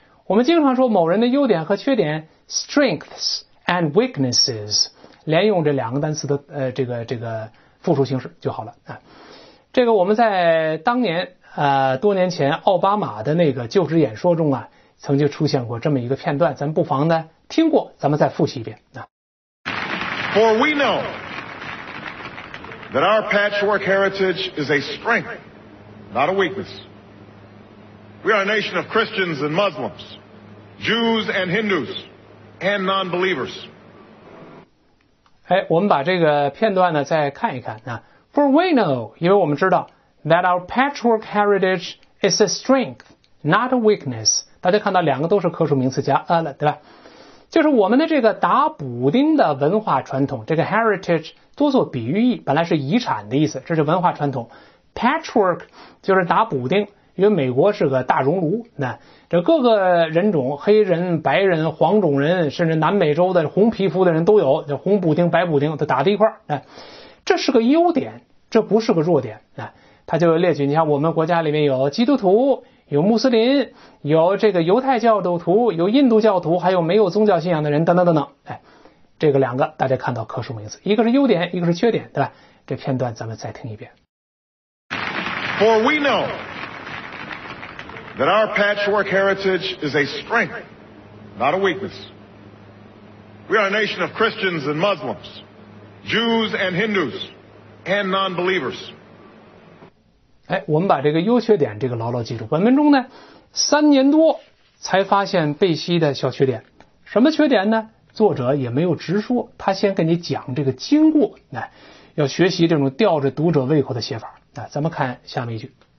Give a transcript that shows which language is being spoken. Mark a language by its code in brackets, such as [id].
[zh] 我们经常说某人的优点和缺点 strengths and weaknesses， 连用这两个单词的这个复数形式就好了。这个我们在当年多年前奥巴马的那个就职演说中啊曾经出现过这么一个片段，咱不妨呢听过咱们再复习一遍。 [en] For we know that our patchwork heritage is a strength, not a weakness. We are a nation of Christians and Muslims, Jews and Hindus, and non-believers. [zh] 哎，我们把这个片段呢再看一看啊。 [en] For we know， [zh] 因为我们知道 [en] that our patchwork heritage is a strength, not a weakness. [zh] 大家看到两个都是可数名词加 a 了，对吧？就是我们的这个打补丁的文化传统，这个 heritage 多做比喻意，本来是遗产的意思，这是文化传统。 patchwork 就是打补丁，因为美国是个大熔炉，那这各个人种，黑人、白人、黄种人，甚至南美洲的红皮肤的人都有，这红补丁、白补丁都打在一块儿，那这是个优点，这不是个弱点，那。他就列举，你像我们国家里面有基督徒，有穆斯林，有这个犹太教徒，有印度教徒，还有没有宗教信仰的人等等等等。哎，这个两个大家看到可数名词，一个是优点，一个是缺点，对吧？这片段咱们再听一遍。 [en] For we know that our patchwork heritage is a strength, not a weakness. We are a nation of Christians and Muslims, Jews and Hindus, and non-believers. [zh] 哎，我们把这个优缺点这个牢牢记住。本文中呢三年多才发现贝西的小缺点。什么缺点呢？作者也没有直说，他先跟你讲这个经过，要学习这种吊着读者胃口的写法。咱们看下面一句。